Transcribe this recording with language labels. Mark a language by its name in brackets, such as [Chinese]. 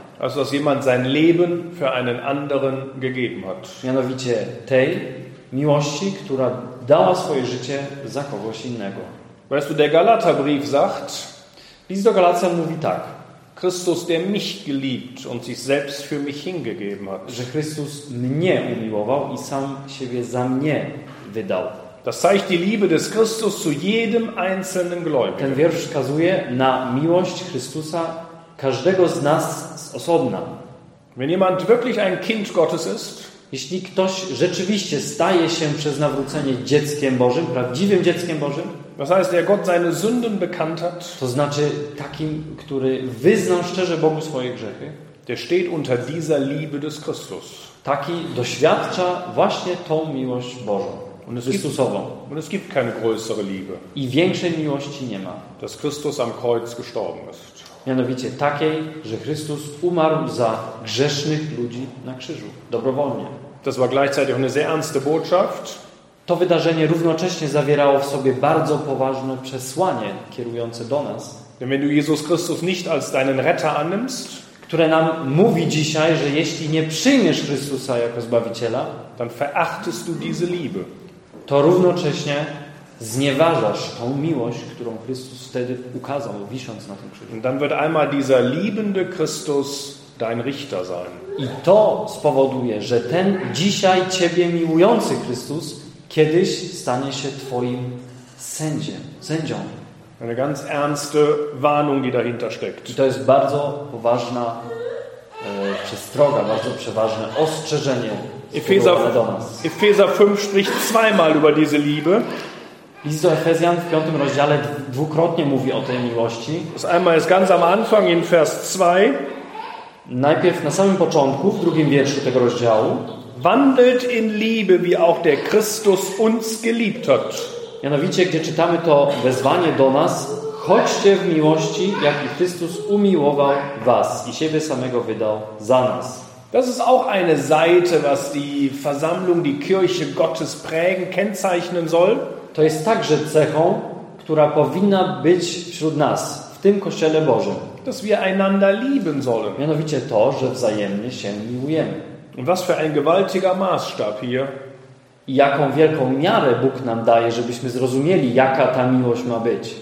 [German] Als dass jemand sein Leben für einen anderen gegeben hat. [Polish] Mianowicie tej miłości, która dała swoje życie za kogoś innego. [German] Weißt du, der Galaterbrief sagt, [Polish] List do Galacjan mówi tak. [German] Christus, der mich geliebt und sich selbst für mich hingegeben hat. [Polish] Że Chrystus mnie umiłował i sam siebie za mnie wydał. [German] Das zeigt die Liebe des Christus zu jedem einzelnen Gläubigen. [Polish] Ten wiersz wskazuje na miłość Chrystusa każdego z nas z osobna. [German] Wenn jemand wirklich ein Kind Gottes ist, [Polish] jeśli ktoś rzeczywiście staje się przez nawrócenie dzieckiem Bożym, prawdziwym dzieckiem Bożym, [German] was heißt, der Gott seine Sünden bekannt hat, [Polish] to znaczy takim, który wyznał szczerze Bogu swoje grzechy, [German] der steht unter dieser Liebe des Christus. [Polish] Taki doświadcza właśnie tą miłość Bożą, Chrystusową. [German] Und es gibt keine größere Liebe. [Polish] I większej miłości nie ma. [German] Dass Christus am Kreuz gestorben ist. [Polish] Mianowicie takiej, że Chrystus umarł za grzesznych ludzi na krzyżu, dobrowolnie. [German] Das war gleichzeitig eine sehr ernste Botschaft. [Polish] To wydarzenie równocześnie zawierało w sobie bardzo poważne przesłanie kierujące do nas. [German] Denn wenn du Jesus Christus nicht als deinen Retter annimmst, [Polish] które nam mówi dzisiaj, że jeśli nie przyjmiesz Chrystusa jako Zbawiciela, [German] dann verachtest du diese Liebe. [Polish] To równocześnie znieważasz tą miłość, którą Chrystus wtedy ukazał, wisząc na tym krzyżu. [German] Und dann wird einmal dieser liebende Christus dein Richter sein. [Polish] I to spowoduje, że ten dzisiaj ciebie miłujący Chrystus kiedyś stanie się twoim sędzią. [German] Eine ganz ernste Warnung, die dahinter steckt. [Polish] I to jest bardzo poważna przestroga, bardzo przeważne ostrzeżenie do nas. [German] Efezjan 5 spricht zweimal über diese Liebe. [Polish] List do Efezjan w 5 rozdziale dwukrotnie mówi o tej miłości. [German] Das einmal ist ganz am Anfang in Vers 2. [Polish] Najpierw na samym początku, w drugim wierszu tego rozdziału. [German] Wandelt in Liebe, wie auch der Christus uns geliebt hat. [Polish] Mianowicie, gdzie czytamy to wezwanie do nas, chodźcie w miłości, jak i Chrystus umiłował was i siebie samego wydał za nas. [German] Das ist auch eine Seite, was die Versammlung, die Kirche Gottes prägen, kennzeichnen soll. [Polish] To jest także cechą, która powinna być wśród nas, w tym Kościele Bożym. [German] Dass wir einander lieben sollen. [Polish] Mianowicie to, że wzajemnie się miłujemy. [German] Und was für ein gewaltiger Maßstab hier. [Polish] I jaką wielką miarę Bóg nam daje, żebyśmy zrozumieli, jaka ta miłość ma być.